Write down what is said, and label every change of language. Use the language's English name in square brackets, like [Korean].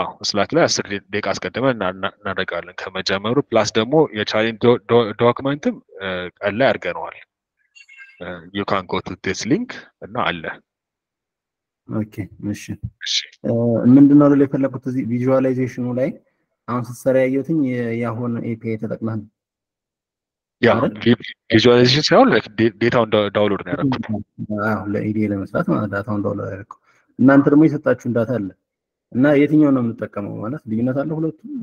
[Amharic] ስላክ ላይ 10 ደቂቃ አስቀድመን እናደርጋለን ከመጀመሩ። ፕላስ ደግሞ የቻሌንጅ ዶክመንትም ቀን ላይ አድርገነዋል። [English] you can go to this link and all. Okay, [Arabic] ماشي. [Amharic] ምንድነው ለለ የፈለኩት እዚ ቪዥዋላይዜሽኑ ላይ አሁን ስሰራ ያየሁትኝ ያሁን API ተጠቅመን ያ ቪዥዋላይዜሽን ሳይሆን ላይክ ዴታውን ዳውንሎድ ነው ያደረኩት። አዎ ለIDE ለመስራት ማለት ዳታውን ዳውንሎድ አደረኩ። እናንተ ደግሞ የሰጣችሁን ዳታ አለ እና የትኛው ነው የምንጠቀመው ማለት ልዩነት አለ ሁለቱ?